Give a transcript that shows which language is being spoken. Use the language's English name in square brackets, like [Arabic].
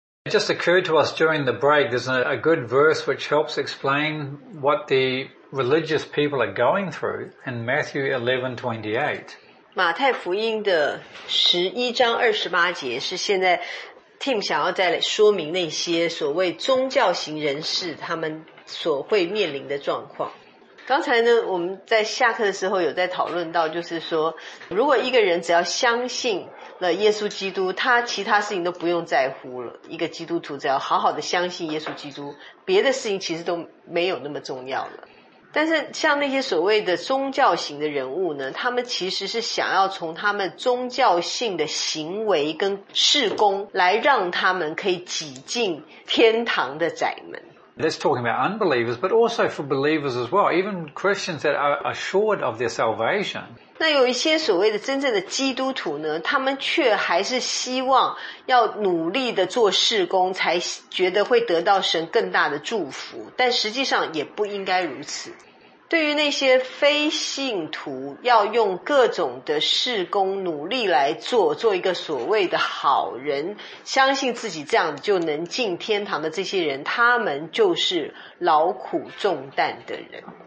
[English] just occurred to us during the break, there's a good verse which helps explain what the religious people are going through in Matthew 11:28. [Chinese] 马太福音的11:28是现在 Tim 想要再来说明那些所谓宗教型人士他们所会面临的状况。刚才呢，我们在下课的时候有在讨论到，就是说，如果一个人只要相信了耶稣基督，他其他事情都不用在乎了。一个基督徒只要好好的相信耶稣基督，别的事情其实都没有那么重要了。但是像那些所谓的宗教型的人物呢，他们其实是想要从他们宗教性的行为跟事工来让他们可以挤进天堂的窄门。 [English] That's talking about unbelievers, but also for believers as well, even Christians that are assured of their salvation. [Chinese] 那有一些所谓的真正的基督徒呢，他们却还是希望要努力的做事工，才觉得会得到神更大的祝福，但实际上也不应该如此。对于那些非信徒，要用各种的事工努力来做，做一个所谓的好人，相信自己这样就能进天堂的这些人，他们就是劳苦重担的人。